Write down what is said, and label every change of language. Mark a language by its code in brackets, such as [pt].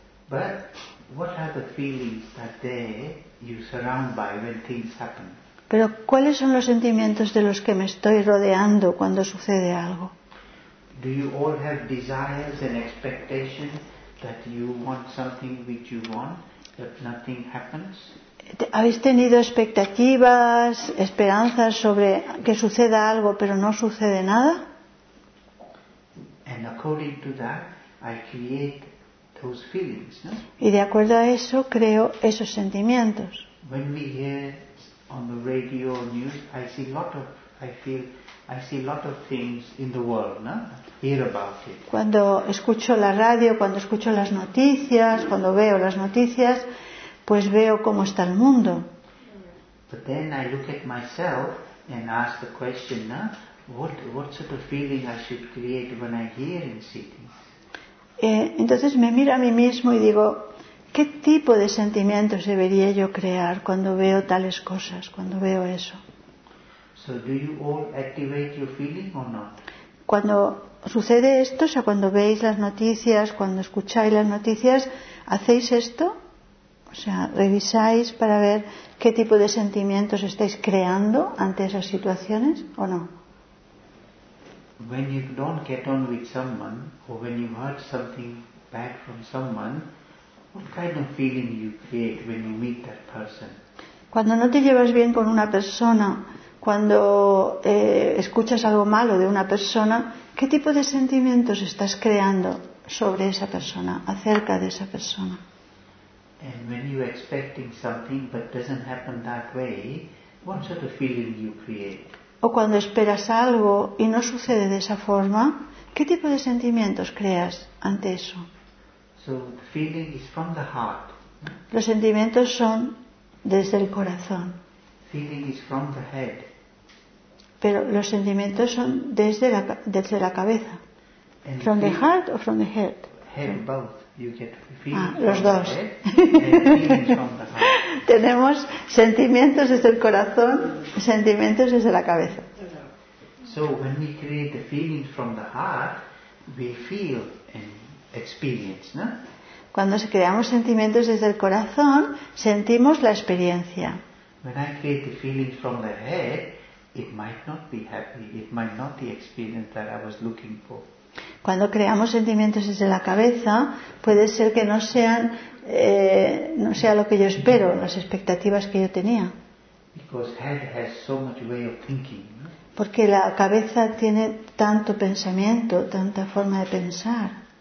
[en] But what are the feelings that there you surround by when things happen? [es] Pero ¿cuáles son los sentimientos de los que me estoy rodeando cuando sucede algo? [en] Do you all have desires and expectations that you want something which you want, that nothing happens? [es] ¿Habéis tenido expectativas, esperanzas sobre que suceda algo, pero no sucede nada? [en] And according to that, I create those feelings, no? [es] Y de acuerdo a eso, creo esos sentimientos. [en] When we hear on the radio news, I see a lot of things in the world, no? Hear about it. [es] Cuando escucho la radio, cuando escucho las noticias, cuando veo las noticias, pues veo cómo está el mundo. [en] But then I look at myself and ask the question, no? What sort of feeling I should create when I hear and see things? [es] Entonces me miro a mí mismo y digo, ¿qué tipo de sentimientos debería yo crear cuando veo tales cosas, cuando veo eso? [en] So do you all activate your feeling or not? [es] Cuando sucede esto, o sea, cuando veis las noticias, cuando escucháis las noticias, ¿hacéis esto? O sea, ¿revisáis para ver qué tipo de sentimientos estáis creando ante esas situaciones o no? [en] When you don't get on with someone, or when you heard something bad from someone, what kind of feeling you create when you meet that person? [es] Cuando no te llevas bien con una persona, cuando escuchas algo malo de una persona, ¿qué tipo de sentimientos estás creando sobre esa persona, acerca de esa persona? [en] And when you're expecting something but doesn't happen that way, what sort of feeling you create? [es] O cuando esperas algo y no sucede de esa forma, ¿qué tipo de sentimientos creas ante eso? [en] So the feeling is from the heart. [es] Los sentimientos son desde el corazón. [en] Feeling is from the head. [es] Pero los sentimientos son desde la cabeza. [en] And from the heart or from the head? Head, both. You get feeling [es] los [en] from [es] dos. [en] The head and feeling from the heart. [es] Tenemos sentimientos desde el corazón, sentimientos desde la cabeza. [en] So when we create the feeling from the heart, we feel and experience, no? [es] Cuando creamos sentimientos desde el corazón, sentimos la experiencia. [en] When I create the feeling from the head, it might not be happy. It might not be the experience that I was looking for. [es] Cuando creamos sentimientos desde la cabeza, puede ser que no sea lo que yo espero, las expectativas que yo tenía. [en] Because head has so much way of thinking, no? [es] Porque la cabeza tiene tanto pensamiento, tanta forma de pensar.